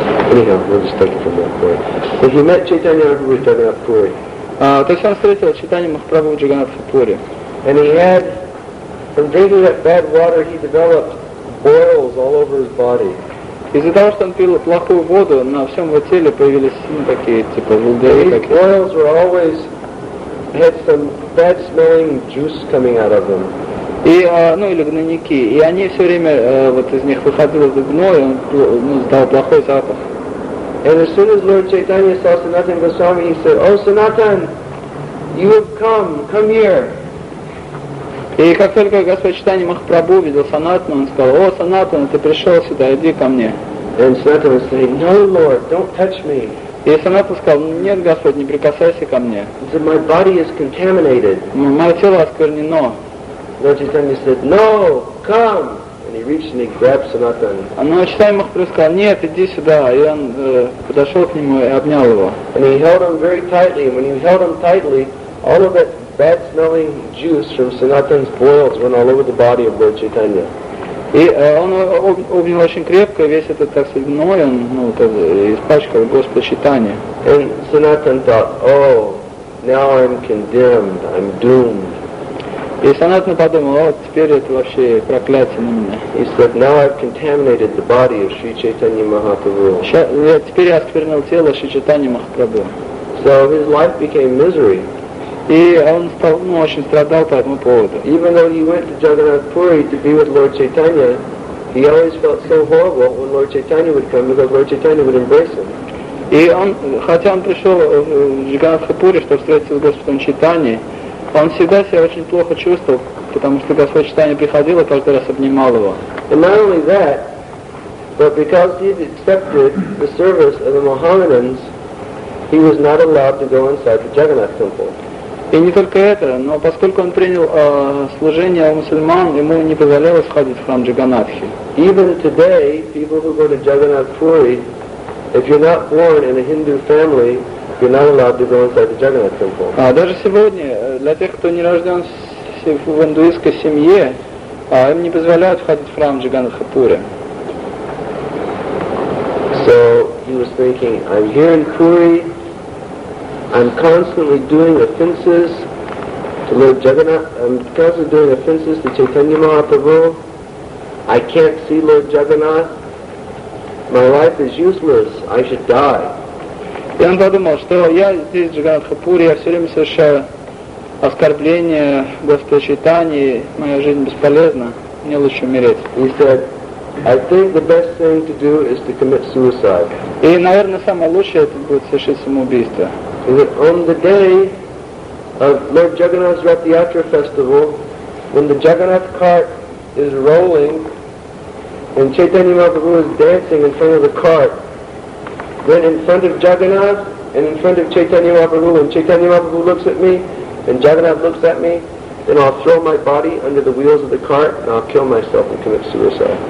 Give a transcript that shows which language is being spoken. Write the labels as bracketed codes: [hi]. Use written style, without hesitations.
[en] Anyhow, we'll just take it from that point. If you met Chaitanya Mahaprabhu at Jagannath Puri. [ru] То есть он встретил Чайтанья Махапрабху в Джаганнатхапуре. [en] And he had, from drinking that bad water, he developed boils all over his body. [ru] Из-за того, что он пил плохую воду, на всем его теле появились волдыри. [en] These boils were always had some bad smelling juice coming out of them. [ru] Или гнойники. И они все время из них выходило за гной, он сдал плохой запах. [en] And as soon as Lord Chaitanya saw Sanatana Goswami, he said, oh, Sanatan, you have come, come here. [ru] И как только Господь Чайтанья Махапрабху видел Санатану, он сказал, о, Санатана, ты пришел сюда, иди ко мне. [en] And Sanatana was saying, no, Lord, don't touch me. [ru] И Санатана сказал, нет, Господь, не прикасайся ко мне. [en] He said, my body is contaminated. [ru] Мое тело осквернено. [en] Lord Chaitanya said, no, come. And he reached and he grabbed Sanatana. [ru] Но Чайтанья Махапрабху сказал, нет, иди сюда. И он подошел к нему и обнял его. [en] And he held him very tightly. And when he held him tightly, all of that bad-smelling juice from Sanatana's boils went all over the body of Lord Chaitanya. [ru] И он обнял очень крепко, весь этот, так сказать, гной, он, испачкал Господа Чайтанья. [en] And Sanatana thought, oh, now I'm condemned, I'm doomed. [ru] И Санатана подумал, о, теперь это вообще проклятие на меня. [en] He said, now I've contaminated the body of Sri Chaitanya Mahaprabhu. [ru] Теперь я осквернил тело Шри Чайтаньи Махапрабху. [en] So his life became misery. [ru] И он стал, очень страдал по этому поводу. [en] Even though he went to Jagannath Puri to be with Lord Chaitanya, he always felt so horrible when Lord Chaitanya would come because Lord Chaitanya would embrace him. [ru] И он, хотя он пришел в Джиганатхапуре, чтобы встретиться с Господом Чайтаньей, он всегда себя очень плохо чувствовал, потому что Господь Чайтанья приходил и каждый раз обнимал его. [en] And not only that, but because he had accepted the service of the Mohammedans, he was not allowed to go inside the Jagannath temple. [ru] И не только это, но поскольку он принял служение у мусульман, ему не позволялось ходить в храм Джаганатхи. [en] Even today, people who go to Jagannath Puri, if you're not born in a Hindu family, you're not allowed to go inside the Jagannath temple. [ru] А даже сегодня для тех, кто не рожден в индуистской семье, им не позволяют ходить в храм Джаганатхапури. [en] So he was thinking, I'm here in Puri. I'm constantly doing offenses to Lord Jagannath. I'm constantly doing offenses to Chaitanya Mahaprabhu. I can't see Lord Jagannath. My life is useless. I should die. [ru] И он подумал, что я здесь, в Джаганатхапуре, я все время совершаю оскорбления Господа Чайтаньи, моя жизнь бесполезна, мне лучше умереть. [en] He said, I think the best thing to do is to commit suicide. [ru] И, наверное, самое лучшее это будет совершить самоубийство. [en] On the day of Lord Jagannath's Rath Yatra festival, when the Jagannath cart is rolling and Chaitanya Mahaprabhu is dancing in front of the cart, then in front of Jagannath and in front of Chaitanya Mahaprabhu, when Chaitanya Mahaprabhu looks at me and Jagannath looks at me, then I'll throw my body under the wheels of the cart and I'll kill myself and commit suicide.